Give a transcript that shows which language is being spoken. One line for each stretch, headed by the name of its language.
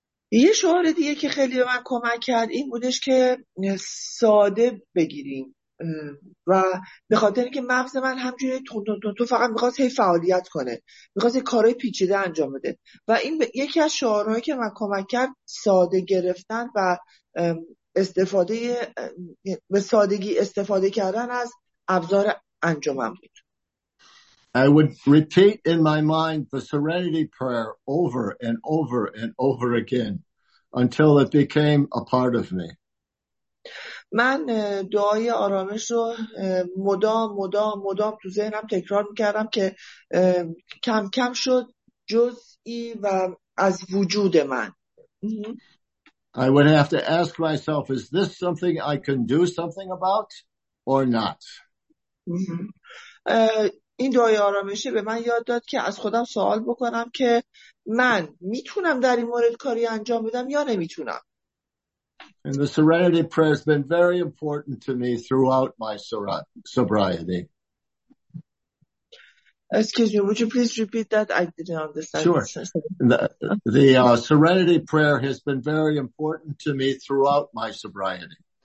Persian: یه شعار دیگه که خیلی به من کمک کرد این بودش که ساده بگیریم. و به خاطر اینکه مغز من همجوری تون تون تون تو فقط میخواست هی فعالیت کنه، میخواست کارهای پیچیده انجام بده. و این یکی از شعارهایی که من کمک کرد ساده گرفتن و استفاده به سادگی استفاده کردن از ابزار انجامم بود.
English: I would repeat in my mind the serenity prayer over and over and over again until it became a part of me.
Persian: من دعای آرامش رو مدام مدام مدام تو ذهنم تکرار می‌کردم که کم کم شد جزئی و از وجود من.
English: I would have to ask myself, is this something I can do something about or not?
Persian: این دعای آرامشه به من یاد داد که از خودم سوال بکنم که من میتونم در این مورد کاری انجام بدم یا نمیتونم.
English: And the serenity prayer has been very important to me throughout my sobriety. Excuse me, would you please repeat that? I didn't understand. Sure. The serenity prayer has been very important to me throughout my sobriety.